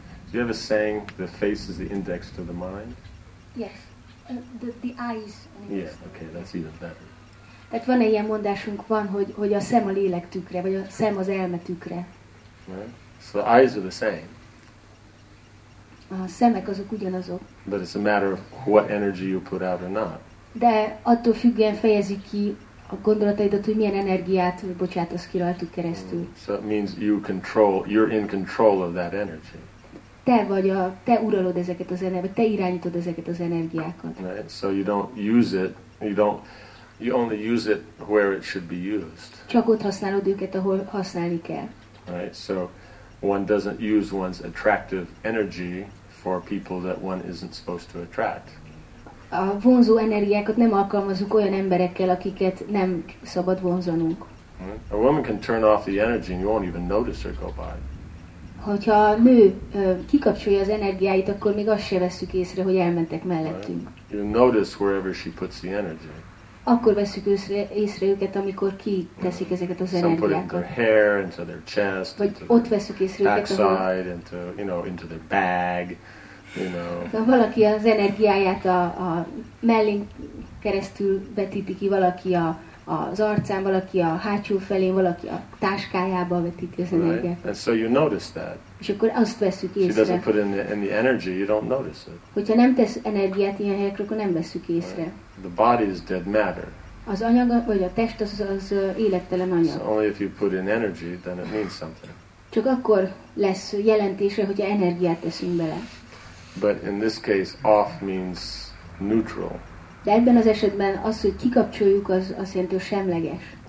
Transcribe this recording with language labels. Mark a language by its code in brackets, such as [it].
[en] Do you have a saying, the face is the index to the mind? Yes. The eyes. Yeah, okay, that's even better. [hu] Tehát van ilyen mondásunk, van, hogy a szem a lélek tükre, vagy a szem az elme tükre. [en] Right? So the eyes are the same. [hu] A szemek azok ugyanazok. [en] But it's a matter of what energy you put out or not. [hu] De attól függően fejezi ki a gondolataidat, hogy milyen energiát bocsátasz ki rajtuk keresztül. [en] So it means you control, you're in control of that energy. [hu] Te uralod ezeket az energiákat, te irányítod ezeket az energiákat. [en] Right. So you don't use it, you only use it where it should be used. [hu] Csak ott használod őket, ahol használni kell. [en] Right. So one doesn't use one's attractive energy for people that one isn't supposed to attract. [hu] A vonzó energiákat nem alkalmazunk olyan emberekkel, akiket nem szabad vonzanunk. [en] A woman can turn off the energy and you won't even notice her go by. [hu] Hogyha a nő kikapcsolja az energiáit, akkor még azt se veszük észre, hogy elmentek mellettünk. [en] Right. You notice wherever she puts the energy. [hu] Akkor veszük észre őket, amikor kiteszik ezeket az energiákat. [en] Some put it in their hair, into their chest, [hu] vagy [en] into [hu] ott veszük észre őket, [en] backside, into, you know, into their bag, you know. [hu] Ha valaki az energiáját a mellén keresztül vetíti ki, valaki a az arcán, valaki a hátsó felén, valaki a táskájába vetíti az energiát. [en] Right. And so you notice that. [hu] És akkor azt veszük észre. [en] She doesn't put in the energy, you don't notice it. [hu] Hogyha nem tesz energiát ilyen helyekre, akkor nem veszük észre. [en] Right. The body is dead matter. [hu] Az anyag, vagy a test az élettelen anyag. [en] So only if you put in energy, then it means something. [hu] Csak akkor lesz jelentésre, hogyha energiát teszünk bele. [en] But in this case, off means neutral. [hu] De ebben az esetben az, hogy kikapcsoljuk, az azt jelenti, hogy semleges.